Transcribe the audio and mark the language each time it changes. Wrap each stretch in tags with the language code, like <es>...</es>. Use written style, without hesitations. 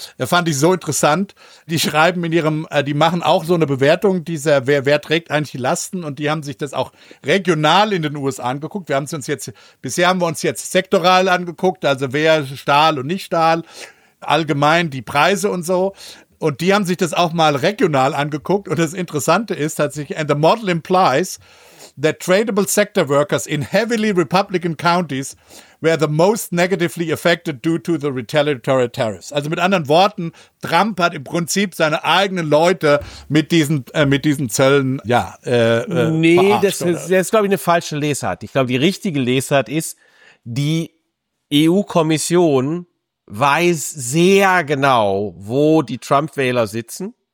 <de>Das fand ich so interessant. Die schreiben in ihrem, die machen auch so eine Bewertung dieser, wer trägt eigentlich die Lasten. Und die haben sich das auch regional in den USA angeguckt. Bisher haben wir uns jetzt sektoral angeguckt. Also wer Stahl und nicht Stahl. Allgemein die Preise und so. Und die haben sich das auch mal regional angeguckt. Und das Interessante ist tatsächlich,</de> <en>and the model implies that tradable sector workers in heavily Republican counties were the most negatively affected due to the retaliatory tariffs.</en> <de>Also mit anderen Worten, Trump hat im Prinzip seine eigenen Leute mit diesen Zöllen, ja, nee, verarscht, das ist, glaube ich, eine falsche Lesart. Ich glaube, die richtige Lesart ist, die EU-Kommission weiß sehr genau, wo die Trump-Wähler sitzen.</de>